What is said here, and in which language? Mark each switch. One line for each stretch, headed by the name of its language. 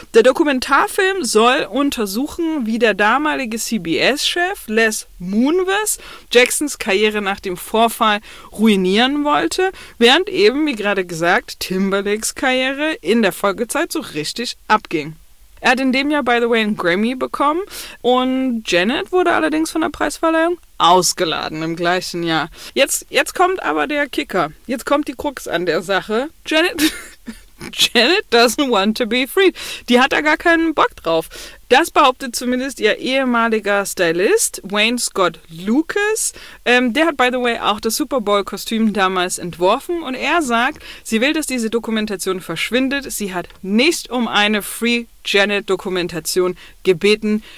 German: Der Dokumentarfilm soll untersuchen, wie der damalige CBS-Chef Les Moonves Jacksons Karriere nach dem Vorfall ruinieren wollte, während eben, wie gerade gesagt, Timberlakes Karriere in der Folgezeit so richtig abging. Er hat in dem Jahr,
English: by the way,
German: einen Grammy bekommen und Janet wurde allerdings von der Preisverleihung ausgeladen im gleichen Jahr. Jetzt kommt aber der Kicker. Jetzt kommt die Krux an der Sache.
English: Janet doesn't want to be freed.
German: Die hat da gar keinen Bock drauf. Das behauptet zumindest ihr ehemaliger Stylist, Wayne Scott Lucas. Der hat,
English: by the way,
German: auch das Super Bowl-Kostüm damals entworfen. Und er sagt, sie will, dass diese Dokumentation verschwindet. Sie hat nicht um eine Free Janet-Dokumentation gebeten.